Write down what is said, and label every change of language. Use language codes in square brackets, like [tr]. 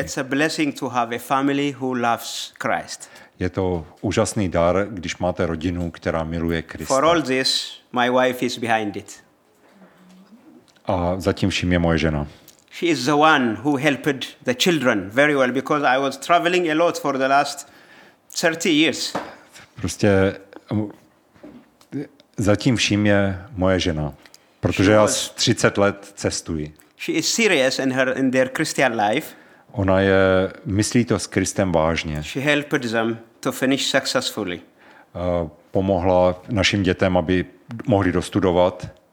[en] It's a blessing to have a family who loves Christ. [cs] Je to úžasný dar, když máte rodinu, která miluje Krista. [en] For all this, my wife is behind it. [cs] A zatím vším je moje žena. [en] She is the one who helped the children very well because I was traveling a lot for the last 30 years. [cs] Prostě zatím vším je moje žena. Protože já 30 let cestuji. [en] She is serious in her in their Christian life. [cs] Ona je myslí to s Kristem vážně. [en] She helped them to finish successfully. [cs] Pomohla našim dětem, aby mohli dostudovat.